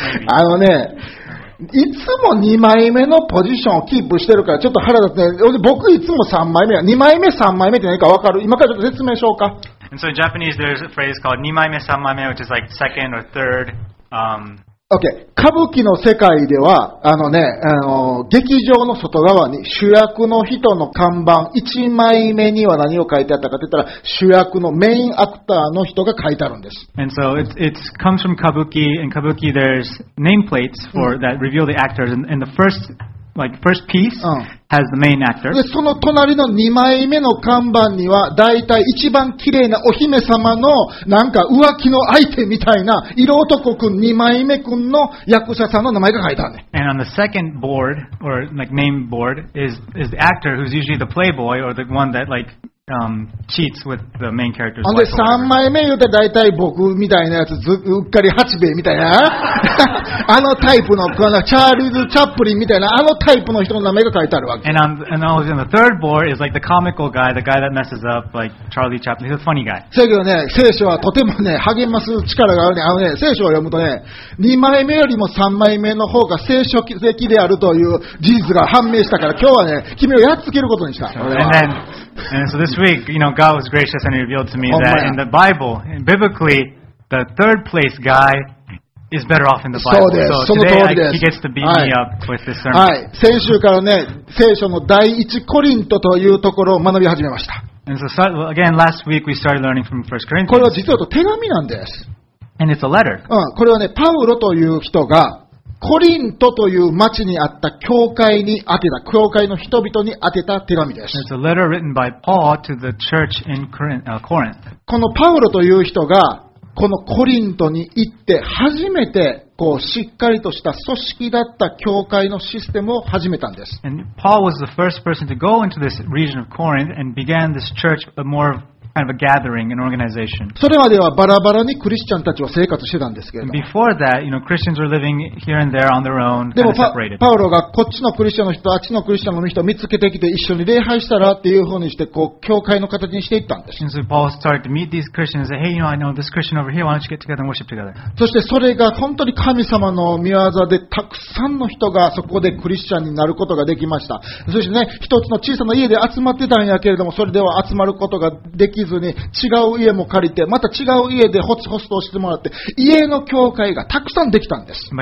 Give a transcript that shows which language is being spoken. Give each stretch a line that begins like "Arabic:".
Japanese: あのね、いつも2枚目のポジションをキープしてるからちょっと腹立つね。僕いつも3枚目や。2枚目、3枚目って何か分かる？今からちょっと説明しようか。
English: And so in Japanese, there's a phrase called 2枚目、3枚目, which is like second or third. Okay.
Japanese: 歌舞伎の世界では、あのね、あの、劇場の外側に主役の人の看板、一枚目には何を書いてあったかって言ったら、主役のメインアクターの人が書いてあるんです。
English: And so it comes from Kabuki, and Kabuki there's nameplates for that reveal the actors, and the first, like, first piece has the main actor.
Japanese: で、その隣の二枚目の看板には、大体一番綺麗なお姫様のなんか浮気の相手みたいな、色男くん、二枚目くんの役者さんの名前が書いてあるね。
English: And on the second board, or like main board, is the actor who's usually the playboy, or the one that like,cheats with the main character's life.
Japanese: で、3枚目言うて大体僕みたいなやつ、うっかり八兵衛みたいな。あのタイプの、このチャールズ・チャップリンみたいな、あのタイプの人の名前が書いてあるわけ。
English: And on the third board is like the comical guy, the guy that messes up, like Charlie Chaplin, he's a funny guy.
Japanese: そうけどね、聖書はとてもね、励ます力があるね。あのね、聖書を読むとね、2枚目よりも3枚目の方が聖書的であるという事実が判明したから、今日はね、君をやっつけることにした。
English: And so this week, you know, God was gracious and revealed to me that in the Bible, biblically, the third place guy is better off in the Bible.
Japanese: そうです。その通りです。
English: He gets to beat me up with this sermon.
Japanese: はい。先週からね、聖書の第一コリントというところを学び始めました。
English: And so again, last week we started learning from 1 Corinthians.
Japanese: これは実は手紙なんです。
English: And it's a letter.
Japanese: うん。これはね、パウロという人がコリントという町にあった教会に宛てた、教会の人々に宛てた手紙です。
English: It's a letter written by Paul to the church in Corinth.
Japanese: このパウロという人がこのコリントに行って初めてこうしっかりとした組織だった教会のシステムを始めたんです。
English: And Paul was the first person to go into this region of Corinth and began this church, but more of kind of a gathering, an organization.
Japanese: それまではバラバラにクリスチャンたちは生活してたんですけれども。
English: Before that, you know, Christians were living here and there on their own, kind of separated.
Japanese: パウロがこっちのクリスチャンの人、あっちのクリスチャンの人を見つけてきて一緒に礼拝したらっていうふうにして、こう教会の形にしていったんです。
English: And so Paul started to meet these Christians and say, "Hey, you know, I know this Christian over here. Why don't you get together and worship together?"
Japanese: そしてそれが本当に神様の御業で、たくさんの人がそこでクリスチャンになることができました。そしてね、一つの小さな家で集まってたんやけれども、それでは集まることができずに、違う家も借りて、また違う家でホスホストをしてもらって、家の教会がたくさんできたんです。